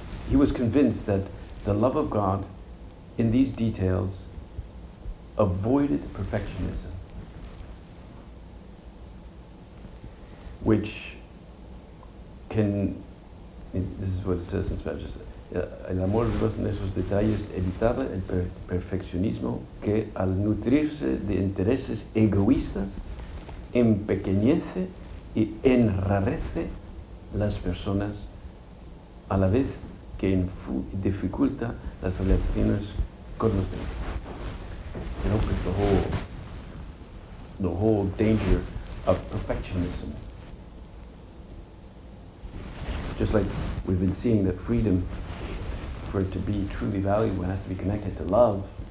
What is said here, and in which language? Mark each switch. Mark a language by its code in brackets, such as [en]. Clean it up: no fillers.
[en] He was convinced that the love of God in these details avoided perfectionism, which can, this is what it says in Spanish. [es] El amor de Dios en esos detalles evitaba el perfeccionismo que al nutrirse de intereses egoístas empequeñece y enrarece las personas a la vez que dificulta las relaciones con los demás. [en] You know, it's the whole danger of perfectionism. Just like we've been seeing that freedom, for it to be truly valuable, it has to be connected to love.